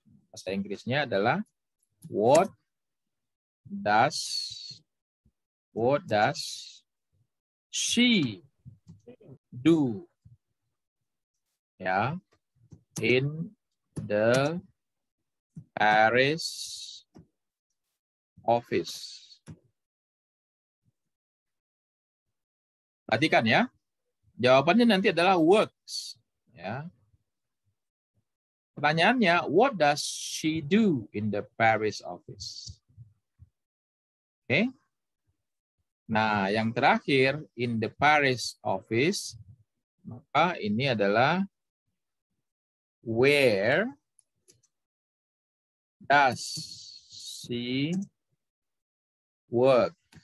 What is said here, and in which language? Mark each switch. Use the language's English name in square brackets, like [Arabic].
[Indonesian] Bahasa Inggrisnya adalah [English] what does she do ya in the Paris office. [Indonesian] Perhatikan ya. Jawabannya nanti adalah works ya. Pertanyaannya [English] what does she do in the Paris office? Oke. Okay. [Indonesian] Nah, yang terakhir, [English] in the Paris office, [Indonesian] maka ini adalah [English] where does she work?